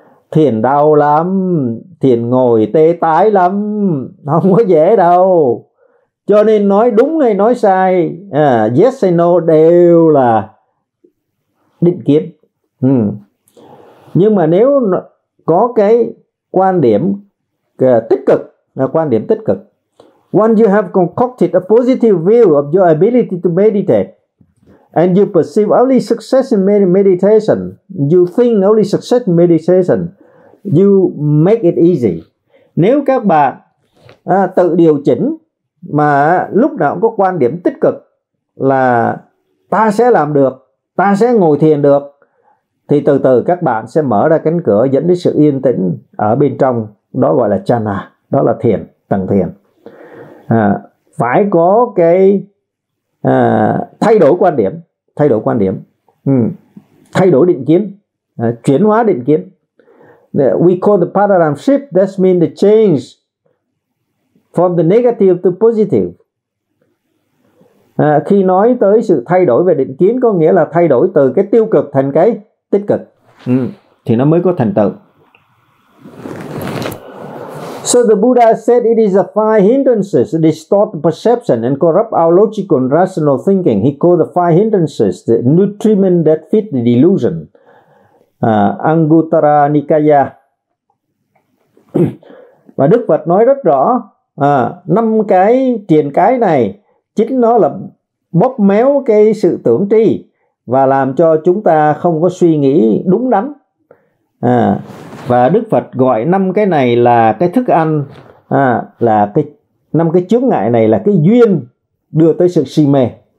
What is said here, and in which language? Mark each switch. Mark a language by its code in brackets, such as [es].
[vi] Thiền đau lắm, thiền ngồi tê tái lắm, không có dễ đâu. Cho nên nói đúng hay nói sai, yes hay no đều là định kiến. Nhưng mà nếu có cái quan điểm tích cực, là quan điểm tích cực. [en] Once you have concocted a positive view of your ability to meditate, and you perceive only success in meditation, you think only success in meditation, you make it easy. [vi] Nếu các bạn tự điều chỉnh mà lúc nào cũng có quan điểm tích cực là ta sẽ làm được, ta sẽ ngồi thiền được, thì từ từ các bạn sẽ mở ra cánh cửa dẫn đến sự yên tĩnh ở bên trong, đó gọi là chana, đó là thiền, tầng thiền. Phải có cái thay đổi quan điểm, thay đổi định kiến, chuyển hóa định kiến. [en] We call the paradigm shift, that means the change from the negative to positive. [vi] Khi nói tới sự thay đổi về định kiến có nghĩa là thay đổi từ cái tiêu cực thành cái tích cực, thì nó mới có thành tựu. [en] So the Buddha said it is the five hindrances that distort perception and corrupt our logical and rational thinking. He called the five hindrances the nutriment that feed the delusion. Anguttara Nikaya. [vi] Và Đức Phật nói rất rõ, năm cái triền cái này chính nó là bóp méo cái sự tưởng tri và làm cho chúng ta không có suy nghĩ đúng đắn. Và Đức Phật gọi năm cái này là cái thức ăn, là cái năm cái chướng ngại này là cái duyên đưa tới sự si mê.